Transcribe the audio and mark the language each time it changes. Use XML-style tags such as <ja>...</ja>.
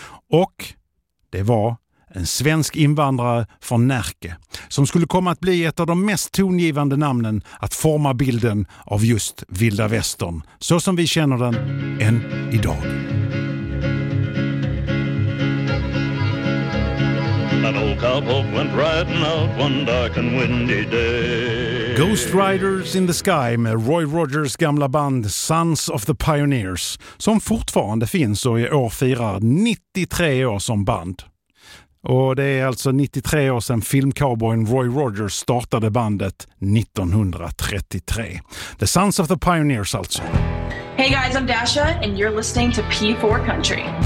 <sv>Och det var en svensk invandrare från Närke som skulle komma att bli ett av de mest tongivande namnen att forma bilden av just Vilda Västern så som vi känner den än idag.</sv> <en>An old cowboy went riding out one dark and windy day.</en> <sv>Ghost Riders in the Sky med Roy Rogers gamla band Sons of the Pioneers som fortfarande finns och i år firar 93 år som band. Och det är alltså 93 år sedan filmcowboyen Roy Rogers startade bandet 1933. The Sons of the Pioneers alltså.</sv> <en>Hey guys, I'm Dasha and you're listening to P4 Country.</en>